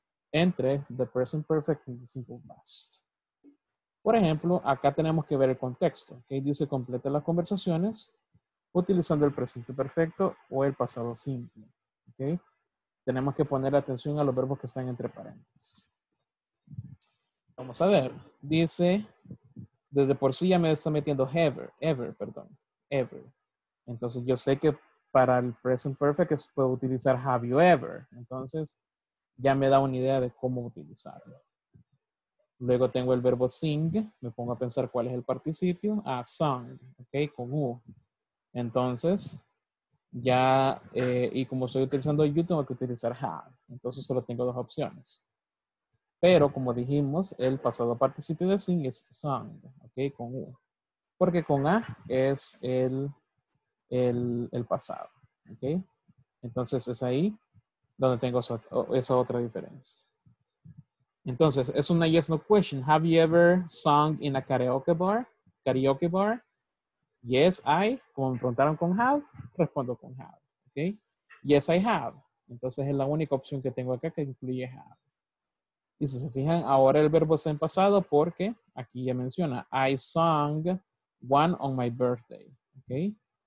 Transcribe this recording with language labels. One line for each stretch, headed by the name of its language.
Spanish: Entre
English: the present perfect and the simple past.
Spanish: Por ejemplo, acá tenemos que ver el contexto, ¿okay? Dice, complete las conversaciones utilizando el presente perfecto o el pasado simple, ¿okay? Tenemos que poner atención a los verbos que están entre paréntesis. Vamos a ver. Dice, desde por sí ya me está metiendo ever. Entonces yo sé que para el present perfect puedo utilizar
English: have you ever.
Spanish: Entonces ya me da una idea de cómo utilizarlo. Luego tengo el verbo sing. Me pongo a pensar cuál es el participio. Sung, ok, con u. Entonces ya, y como estoy utilizando you, tengo que utilizar have. Entonces solo tengo dos opciones. Pero, como dijimos, el pasado participio de sing es sung, ¿ok? Con u. Porque con a es el pasado, ¿ok? Entonces, es ahí donde tengo esa otra diferencia. Entonces, es una yes-no question.
English: Have you ever sung in a karaoke bar? Karaoke bar? Yes, I.
Spanish: Como me preguntaron con have, respondo con have, ¿ok?
English: Yes, I have.
Spanish: Entonces, es la única opción que tengo acá que incluye have. Y si se fijan, ahora el verbo está en pasado porque aquí ya menciona,
English: I sung one on my birthday.
Spanish: ¿Okay?